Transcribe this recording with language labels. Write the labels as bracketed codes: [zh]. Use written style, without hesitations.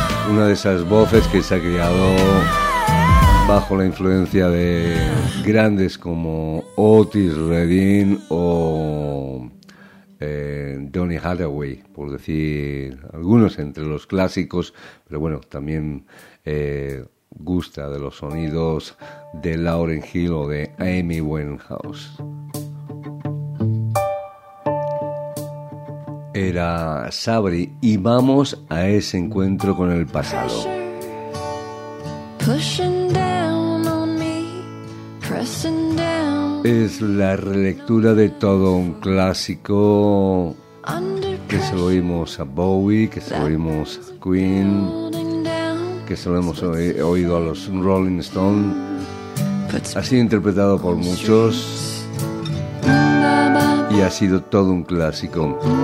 [es] Una de esas voces que se ha criado bajo la influencia de grandes como Otis Redding o Donny Hathaway, por decir algunos entre los clásicos, pero bueno, también gusta de los sonidos de Lauryn Hill o de Amy Winehouse. Era Sabri y vamos a ese encuentro con el pasado. [en] Pushing down on me, pressing down. [es] Es la relectura de todo un clásico que se lo oímos a Bowie, que se lo oímos a Queen, que se lo hemos oído a los Rolling Stones, así interpretado por muchos y ha sido todo un clásico.